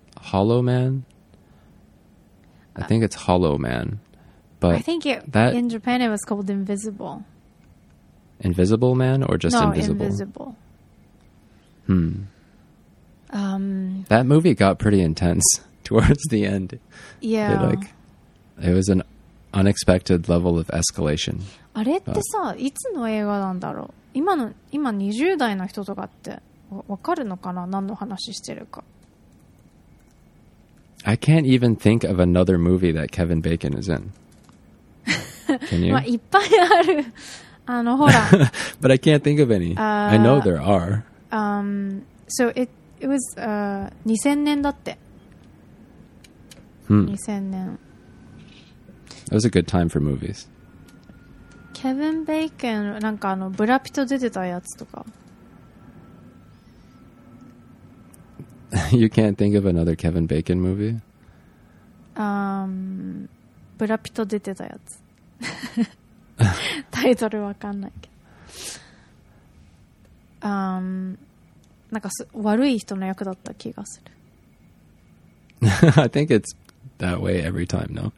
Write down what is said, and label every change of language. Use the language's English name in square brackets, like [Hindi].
[English] Hollow Man? I think it's Hollow Man. But I think in Japan it was called Invisible. Invisible Man or just no, Invisible? No, Invisible. That movie got pretty intense towards the end. Yeah. It was an unexpected level of escalation. [Japanese] あれってさ、いつの映画なんだろう？今20代の人とかって分かるのかな？何の話してるか。 [English] I can't even think of another movie that Kevin Bacon is in. Can you? [Japanese] まあ、いっぱいある。あの、ほら。 [English] But I can't think of any. I know there are. So it was [Japanese] 2000年だって。2000年。 [English] That was a good time for movies. [Japanese] Kevin Bacon、なんかあの、ブラピと出てたやつとか。 [English] You can't think of another Kevin Bacon movie? [Japanese] ブラピト出てたやつ。タイトルわかんないけど。なんか悪い人の役だった気がする。 [English] I think it's that way every time, no?